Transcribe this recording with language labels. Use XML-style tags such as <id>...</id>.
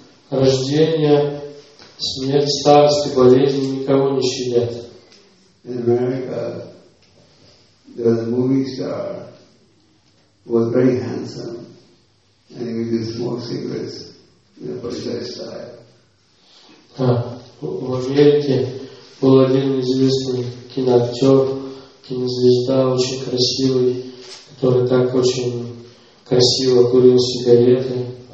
<ru>Рождение, смерть, старость и болезни никого не щадят.</ru> <en>In America, there was a movie star who was very handsome. And he would smoke cigarettes in a particular style.</en> <ru>В Америке был один известный киноактер, кинозвезда, очень красивый, который так очень красиво курил сигареты.</ru>